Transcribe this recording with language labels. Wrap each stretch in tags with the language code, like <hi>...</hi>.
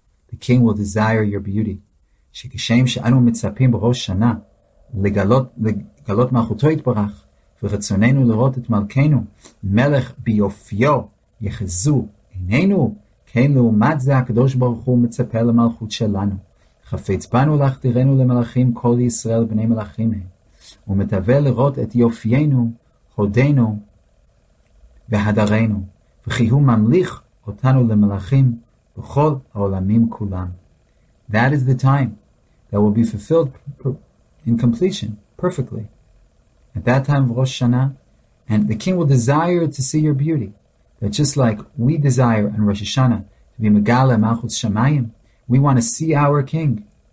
<en>The King will desire your beauty.</en> <he>Shekishem she'anu mitzapim Rosh Hashanah legalot malchuto yitbarach v'ratzonenu lerot et malkenu melech biyofyo יחזו עינינו, כן לעומת זה הקדוש ברוך הוא מצפה למלכות שלנו. חפץ בנו להחדירנו למלכים כל ישראל בני מלכים הם. הוא מתווה לראות את יופיינו, הודינו והדרנו. וכי הוא ממליך אותנו למלכים בכל העולמים כולם.</he> <en>That is the time that will be fulfilled in completion, perfectly. At that time of Rosh Hashanah, and the king will desire to see your beauty. That just like we desire in Rosh Hashanah to be Megala Malchus Shamayim, we want to see our King.</en>